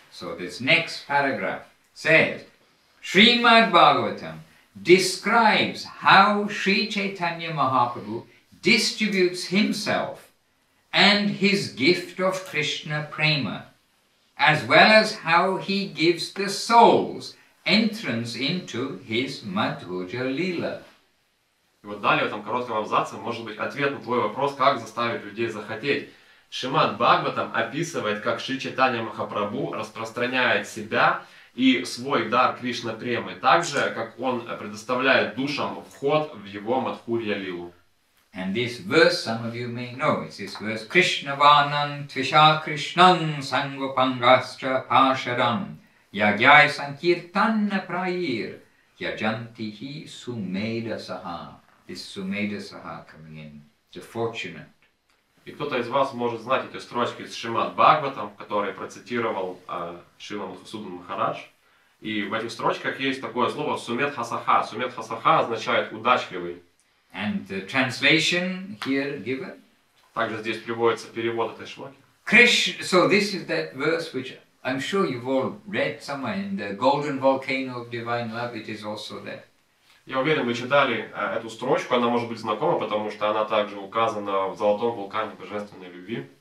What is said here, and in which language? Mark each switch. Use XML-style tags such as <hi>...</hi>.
<en>So this next paragraph says, Srimad Bhagavatam describes how Sri Chaitanya Mahaprabhu distributes himself and his gift of Krishna Prema, as well as how he gives the souls entrance into his Madhurya Leela.</en> <ru>И вот далее в этом коротком абзаце может быть ответ на твой вопрос, как заставить людей захотеть. Шримад Бхагаватам описывает, как Шри Чайтанья Махапрабху распространяет себя и свой дар Кришна Премы, также как он предоставляет душам вход в его Мадхурья Лилу.</ru> <en>And this verse some of you may know. It's this verse.</en> <sa>Krishna Vanan Tvisha Krishnan Sangupangastra Pasharam Yagyai Sankirtanna Prayir Yajantihi Sumeda Saha.</sa> <en>This Sumedha Saha coming in, the fortunate.</en> <ru>И кто-то из вас может знать эти строчки из Шримад Бхагаватам, которые процитировал Шрила Махасудан Махарадж. И в этих строчках есть такое слово Сумедха Саха. Сумедха Саха означает удачливый.</ru> <en>And the translation here given?</en> <ru>Также здесь приводится перевод этой шлоки.</ru> <en>So this is that verse which I'm sure you've all read somewhere in the Golden Volcano of Divine Love. It is also there.</en> <ru>Я уверен, вы читали эту строчку, она может быть знакома, потому что она также указана в Золотом вулкане Божественной Любви.</ru>